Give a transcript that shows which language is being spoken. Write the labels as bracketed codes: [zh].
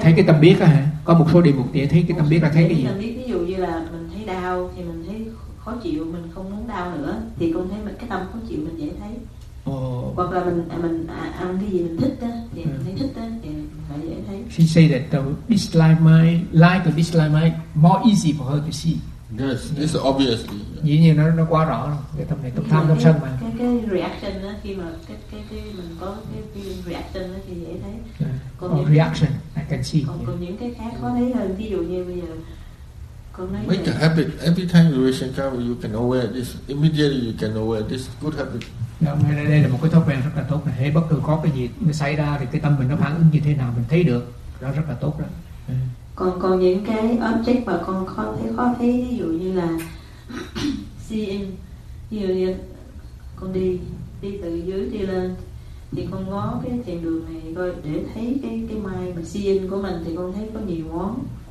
[vi] thấy cái tâm biết á hả, có một số đề mục dễ thấy cái tâm biết là thấy cái gì? Tâm biết ví dụ như là mình thấy đau thì mình thấy khó chịu, mình không muốn đau nữa thì con thấy cái tâm khó chịu mình dễ thấy. Hoặc là mình ăn cái gì mình thích á thì mình thấy thích á thì phải dễ thấy. [en] She say that the dislike mind, like the dislike mind, more easy for her to see. Yes, it's obviously. [vi] Dĩ nhiên nó quá rõ rồi. Cái tâm này tâm tham tâm sân mà. Cái reaction đó khi mà cái mình có cái reaction đó thì dễ thấy. Còn những reaction, [en] I can see. [vi] Còn những cái khác khó thấy hơn. Ví dụ như bây giờ. [en] Make a habit. Every time you reach and you can aware this. Immediately you can aware this good habit. [vi] Đây là một cái thói quen rất là tốt. Hễ bất cứ có cái gì nó xảy ra thì cái tâm mình nó phản ứng như thế nào mình thấy được. Đó rất là tốt đó. Còn những cái object mà con khó thấy ví dụ như là CM, ví dụ như con đi từ dưới đi lên thì con ngó cái chặng đường này coi để thấy cái mai mà CM của mình thì con thấy có nhiều món.